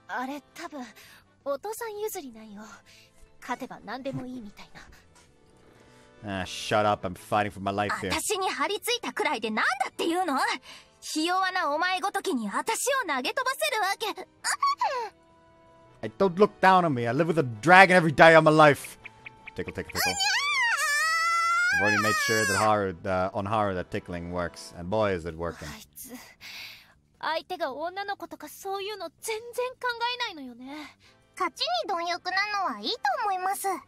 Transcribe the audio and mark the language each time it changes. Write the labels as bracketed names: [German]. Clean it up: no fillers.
[Japanese] あれ多分お父さん譲りなんよ。勝てば何でもいいみたいな。 [English] shut up! I'm fighting for my life here. [Japanese] 私に張り付いたくらいで何だっていうの？ひ弱なお前ごときに私を投げ飛ばせるわけ。 [English] I don't look down on me. I live with a dragon every day of my life. Tickle, tickle, tickle. I've already made sure that Haru, on Haru that tickling works. And boy, is it working. [Japanese] あいつ、相手が女の子とかそういうの全然考えないのよね。勝ちに貪欲なのはいいと思います。